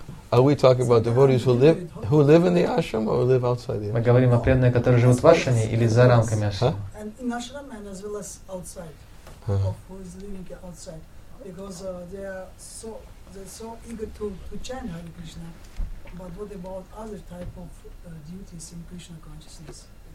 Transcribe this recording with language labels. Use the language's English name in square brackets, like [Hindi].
[English] Are we talking about devotees who live in the ashram or live outside the ashram? [Russian] Мы говорим о преданных, которые живут в ашраме или за рамками ашрама. [English] And in ashram and as well as outside, of who is living outside, because they are so eager to chant Hare Krishna. But what about other type of duties in Krishna consciousness?